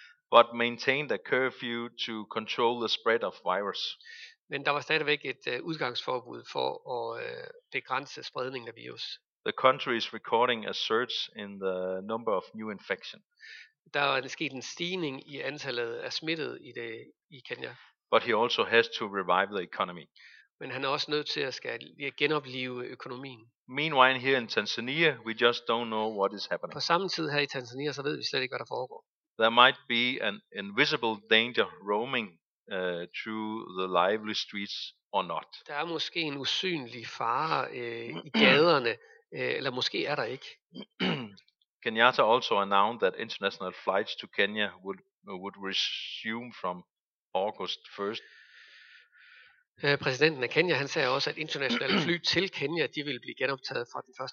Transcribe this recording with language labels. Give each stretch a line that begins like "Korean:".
English: But maintained a curfew to control the spread of virus.
Danish: men der var stadigvæk et udgangsforbud for at begrænse spredningen af virus.
English: The country is recording a surge in the number of new infection.
Danish: Der er sket en stigning i antallet af smittede i det i Kenya.
English: But he also has to revive the economy.
Danish: Men han er også nødt til at skal genoplive økonomien.
English: Meanwhile here in Tanzania, we just don't know what is happening.
Danish: På samme tid her i Tanzania, så ved vi slet ikke, hvad der foregår.
English: There might be an invisible danger roaming through the lively streets or not.
Danish: Der er måske en usynlig fare i gaderne, eller måske er der ikke.
English: Kenyatta also announced that international flights to Kenya would resume from August 1st.
Danish: Præsidenten af Kenya, han sagde også, at internationale fly til Kenya, de vil blive genoptaget fra den 1.